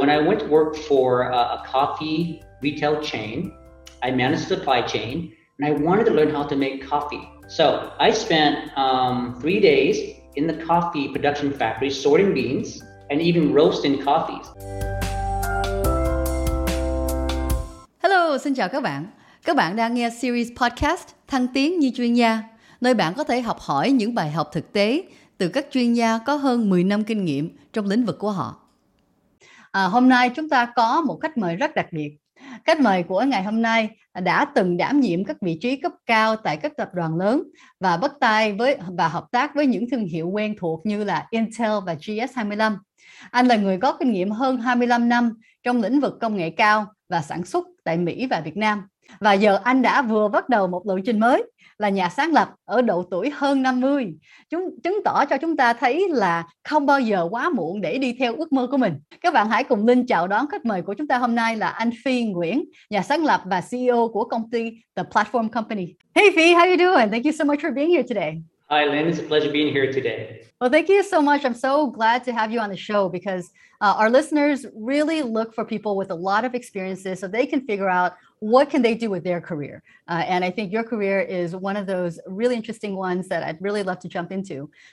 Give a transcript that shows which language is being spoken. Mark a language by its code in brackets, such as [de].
[en] When I went to work for a coffee retail chain, I managed the supply chain, and I wanted to learn how to make coffee. So I spent 3 days in the coffee production factory, sorting beans and even roasting coffees. Hello, [vi] xin chào các bạn. Các bạn đang nghe series podcast Thăng Tiến Như Chuyên Gia, nơi bạn có thể học hỏi những bài học thực tế từ các chuyên gia có hơn 10 năm kinh nghiệm trong lĩnh vực của họ. Hôm nay chúng ta có một khách mời rất đặc biệt. Khách mời của ngày hôm nay đã từng đảm nhiệm các vị trí cấp cao tại các tập đoàn lớn và bắt tay với và hợp tác với những thương hiệu quen thuộc như là Intel và GS25. Anh là người có kinh nghiệm hơn 25 năm trong lĩnh vực công nghệ cao và sản xuất tại Mỹ và Việt Nam. Và giờ anh đã vừa bắt đầu một lộ trình mới là nhà sáng lập ở độ tuổi hơn 50, chứng tỏ cho chúng ta thấy là không bao giờ quá muộn để đi theo ước mơ của mình. Các bạn hãy cùng Linh chào đón khách mời của chúng ta hôm nay là anh Phi Nguyễn, nhà sáng lập và CEO của công ty The Platform Company. [en] Hey Phi, how are you doing? Thank you so much for being here today. Hi Lynn, it's a pleasure being here today. Well, thank you so much. I'm so glad to have you on the show because our listeners really look for people with a lot of experiences so they can figure out what can they do with their career. And I think your career is one of those really interesting ones that I'd really love to jump into.